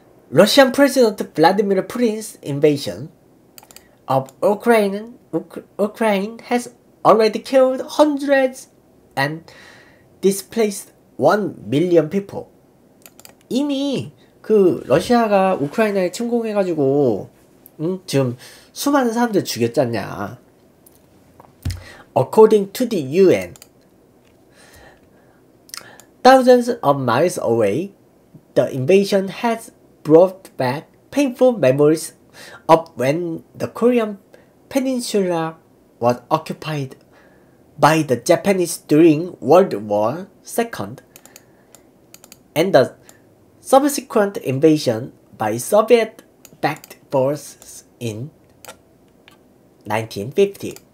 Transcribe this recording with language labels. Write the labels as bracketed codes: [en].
[en] Russian President Vladimir Putin's invasion of Ukraine has already killed hundreds and displaced 1 million people.' [ko] 이미 그 러시아가 우크라이나에 침공해가지고 지금 수많은 사람들 죽였잖냐. [en] According to the UN, thousands of miles away, the invasion has brought back painful memories of when the Korean Peninsula was occupied by the Japanese during World War II, and the subsequent invasion by Soviet-backed forces in 1950.